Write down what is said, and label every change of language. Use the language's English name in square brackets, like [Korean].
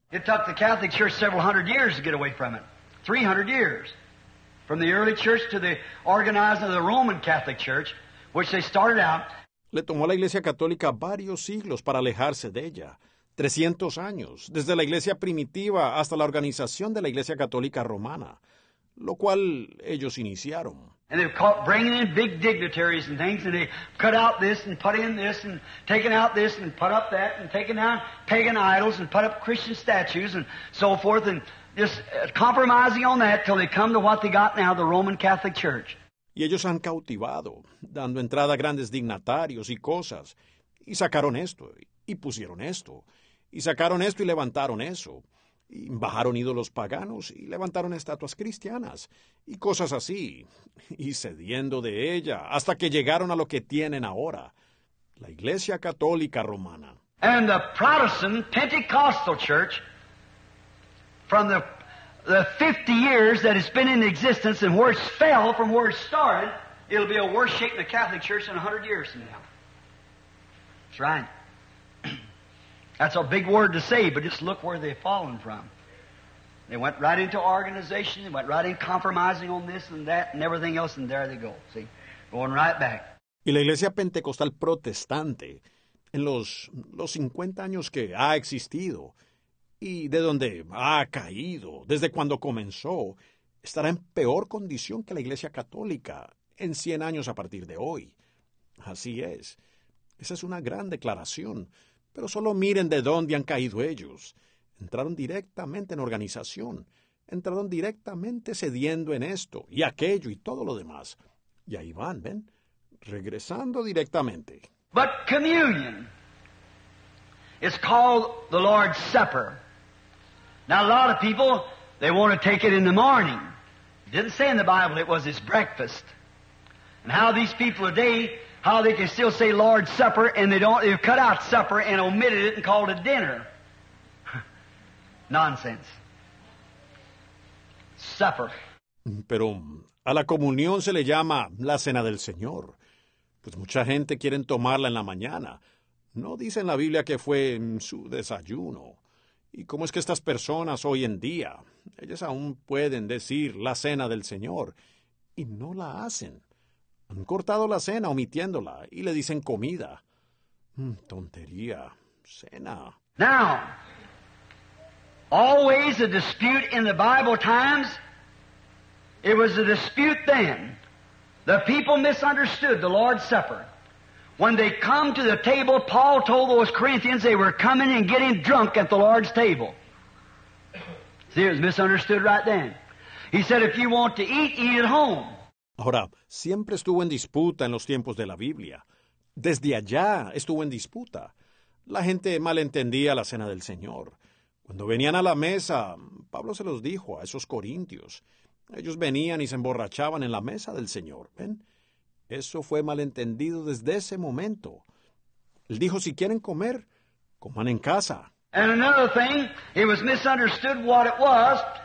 [English] It took the Catholic Church several hundred years to get away from it. 300 years. From the early church to the organizing of the Roman Catholic Church, which they started out. [Spanish] Le tomó a la Iglesia Católica varios siglos para alejarse de ella. 300 años, desde la Iglesia Primitiva hasta la organización de la Iglesia Católica Romana, lo cual ellos iniciaron. [English] And they've caught bringing in big dignitaries and things, and they cut out this and put in this and taken out this and put up that and taken down pagan idols and put up Christian statues and so forth and just compromising on that till they come to what they got now, the Roman Catholic Church. [Spanish] Y ellos han cautivado, dando entrada a grandes dignatarios y cosas, y sacaron esto, y pusieron esto, y sacaron esto y levantaron eso, y bajaron ídolos paganos y levantaron estatuas cristianas, y cosas así, y cediendo de ella, hasta que llegaron a lo que tienen ahora, la Iglesia Católica Romana. [English] And the Protestant Pentecostal Church, from the 50 years that it's been in existence and where it fell from where it started, it'll be a worse shape than the Catholic Church in 100 years from now. That's right. That's a big word to say, but just look where they've fallen from. They went right into organization, they went right in compromising on this and that and everything else, and there they go, see, going right back. [Spanish] Y la Iglesia Pentecostal Protestante, en los 50 años que ha existido, y de donde ha caído, desde cuando comenzó, estará en peor condición que la Iglesia Católica en 100 años a partir de hoy. Así es. Esa es una gran declaración. Pero solo miren de dónde han caído ellos. Entraron directamente en organización. Entraron directamente cediendo en esto y aquello y todo lo demás. Y ahí van, ¿ven? Regresando directamente. [English] But communion is called the Lord's Supper. Now, a lot of people, they want to take it in the morning. It didn't say in the Bible it was his breakfast. And how these people today, how they can still say Lord's Supper, and they've cut out supper and omitted it and called it dinner. Nonsense. Supper. [Spanish] Pero a la comunión se le llama la cena del Señor. Pues mucha gente quiere tomarla en la mañana. No dice en la Biblia que fue su desayuno. ¿Y cómo es que estas personas hoy en día, ellas aún pueden decir la cena del Señor y no la hacen? Han cortado la cena omitiéndola y le dicen comida. Tontería. Cena. [English] Now, always a dispute in the Bible times, it was a dispute then. The people misunderstood the Lord's Supper. When they come to the table, Paul told those Corinthians they were coming and getting drunk at the Lord's table. See, it was misunderstood right then. He said, if you want to eat, eat at home. [Spanish] Ahora, siempre estuvo en disputa en los tiempos de la Biblia. Desde allá estuvo en disputa. La gente malentendía la cena del Señor. Cuando venían a la mesa, Pablo se los dijo a esos corintios. Ellos venían y se emborrachaban en la mesa del Señor. ¿Ven? Eso fue malentendido desde ese momento. Él dijo, si quieren comer, coman en casa. [English] And another thing, it was misunderstood what it was.